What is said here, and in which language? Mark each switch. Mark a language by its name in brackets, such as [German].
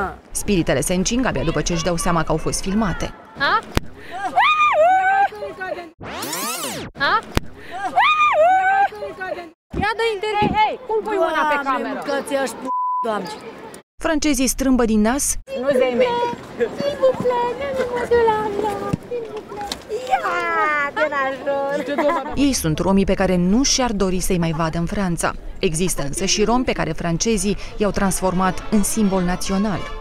[Romanian] Spiritele se încing abia după ce își dau seama că au fost filmate. Ia dă interviu. Hei, cum pui mâna pe cameră? Doamne, că ți-aș p***, doamne. Francezii strâmbă din nas. Nu zeme. [French] S'il vous plaît, ne me mordez la main. S'il vous plaît. [Romanian] Ia, te ajut. Ei sunt romii pe care nu și-ar dori să-i mai vadă în Franța. Există însă și romi pe care francezii i-au transformat în simbol național.